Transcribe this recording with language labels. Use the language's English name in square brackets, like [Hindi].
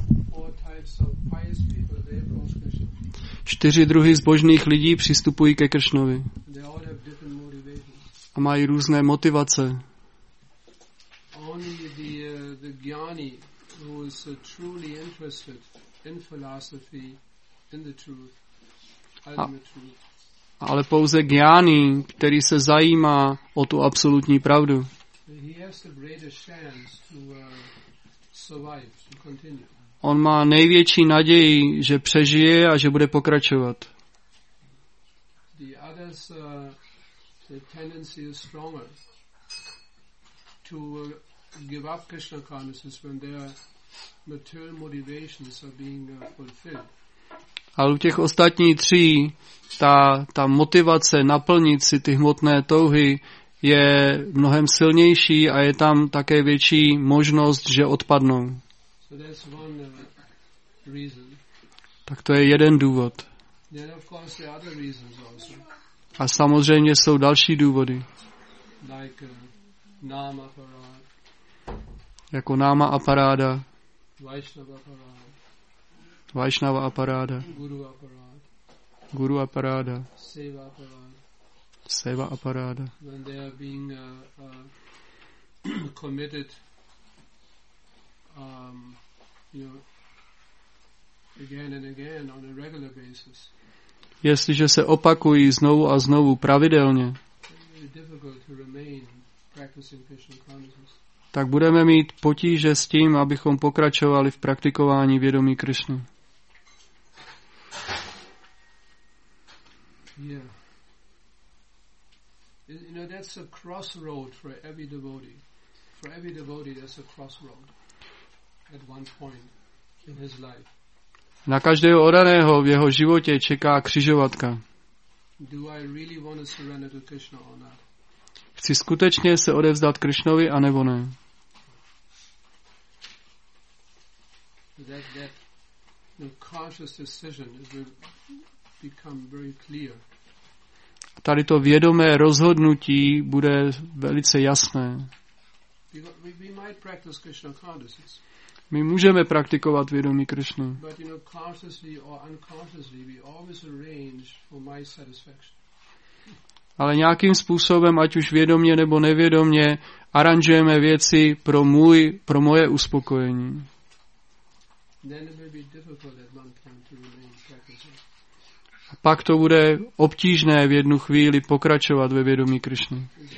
[English] Four types of pious people they approach Krishna. [Czech] Čtyři druhy zbožných lidí přistupují ke Krishnovi. [English] They all have different motivations. [Czech] a mají různé motivace. [English] Only the gyani who is truly interested in philosophy, in the truth, ultimate truth. [Czech] Ale pouze gyani, který se zajímá o tu absolutní pravdu. [English] He has the greatest chance to survive, to continue. [Czech] On má největší naději, že přežije a že bude pokračovat. [English] The others, the tendency is stronger to give up Krishna consciousness when their material motivations are being fulfilled. [Czech] Ale u těch ostatních tří ta motivace naplnit si ty hmotné touhy je mnohem silnější a je tam také větší možnost, že odpadnou. [English] So that's one reason. [Czech] Tak to je jeden důvod. [English] Then of course there are other reasons also. [Czech] A samozřejmě jsou další důvody. [English] Like, [Sanskrit] náma parád. [Czech] Jako náma a paráda. [Sanskrit] Vaishnava parád. Vaishnava aparáda. Guru aparáda. Guru aparáda. Seva aparáda. Seva aparáda. [English] When they are being committed, you know, again and again on a regular basis. [Czech] Jestliže se opakují znovu a znovu pravidelně. [English] It's difficult to remain practicing Krishna consciousness. [Czech] Tak budeme mít potíže s tím, abychom pokračovali v praktikování vědomí Krishny. Yeah. [English] You know, that's a crossroad for every devotee. For every devotee, that's a crossroad at one point in his life. [Czech] Na každého oddaného v jeho životě čeká křižovatka. [English] Do I really want to surrender to Krishna or not? [Czech] Chci skutečně se odevzdat Krishnovi, anebo ne? [English] That the conscious decision is become very clear. [Czech] Tady to vědomé rozhodnutí bude velice jasné. [English] We might practice Krishna consciousness. [Czech] My můžeme praktikovat vědomí Krishny. [English] But you know, consciously or unconsciously, we always arrange for my satisfaction. [Czech] Ale nějakým způsobem, ať už vědomě nebo nevědomě, aranžujeme věci pro moje uspokojení. [English] Then it may be difficult at one point to remain practicing. [Czech] Pak to bude obtížné v jednu chvíli pokračovat ve vědomí Krišny.